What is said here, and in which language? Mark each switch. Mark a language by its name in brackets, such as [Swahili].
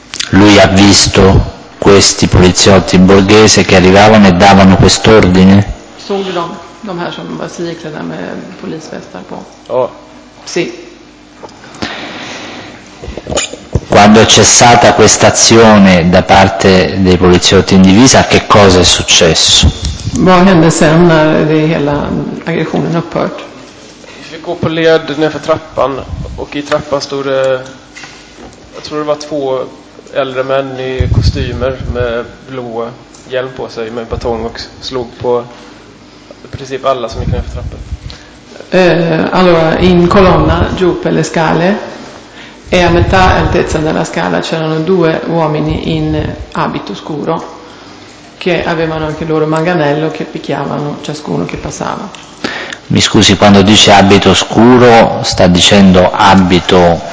[Italian] Lui ha visto questi poliziotti in borghese che arrivavano e davano quest'ordine? Sono [Swedish] de här som var civilklädda med polisvästar på. Ja. [Italian] Sì. Quando è cessata questa azione da parte dei poliziotti in divisa, che cosa è successo? [Swedish] Vad hände sen när det hela aggressionen upphört? Vi fick gå på led nedför trappan och i trappan stod jag tror det var två äldre män i kostymer med blå hjälm på sig med batong och slog på princip alla som gick ner för trappan. [Italian] Allora in colonna giù per le scale e a metà altezza della scala c'erano due uomini in abito scuro che avevano anche loro manganello che picchiavano ciascuno che passava. Mi scusi, quando dice abito scuro sta dicendo abito,